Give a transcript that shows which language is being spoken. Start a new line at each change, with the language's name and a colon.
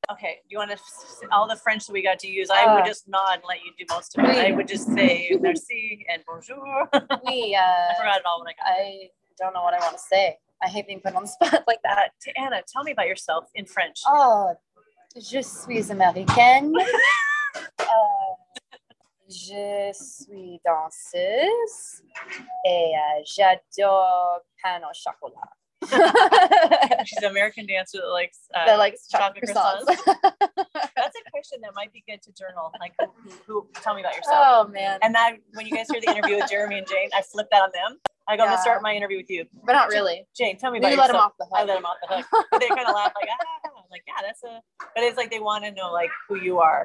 English: Okay, you want to all the French that we got to use? I would just nod and let you do most of it. I would just say merci and bonjour. I forgot it all when I got I there. Don't know what I want to say. I hate being put on the spot like that. To Anna, tell me about yourself in French.
French: Oh, je suis américaine. Je suis danseuse et j'adore pain au chocolat.
English: She's an American dancer that likes chocolate croissants. That's a question that might be good to journal. Like, who tell me about yourself. Oh, man. And that, when you guys hear the interview with Jeremy and Jane, I flip that on them. I go, I'm going to start my interview with you. But not really. Jane, tell me about yourself. You let them off the hook. I let them off the hook. They kind of laugh like, but it's like they want to know like who you are.